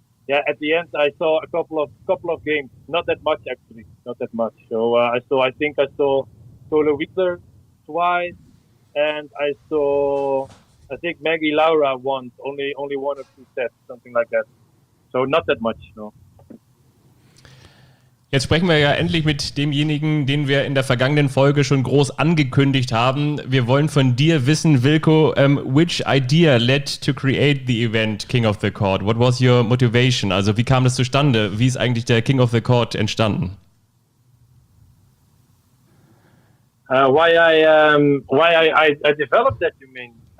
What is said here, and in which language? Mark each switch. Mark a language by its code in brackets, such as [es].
[en] Yeah, at the end, I saw a couple of games. Not that much, actually. Not that much. So I think I saw Tola Wittler twice, and I think Maggie Laura once. Only one or two sets, something like that. So not that much, no. [de] Jetzt sprechen wir ja endlich mit demjenigen, den wir in der vergangenen Folge schon groß angekündigt haben. Wir wollen von dir wissen, Wilco, [en] which idea led to create the event King of the Court? What was your motivation? [de] Also wie kam das zustande? Wie ist eigentlich der King of the Court entstanden? [en] Why I developed that, you mean?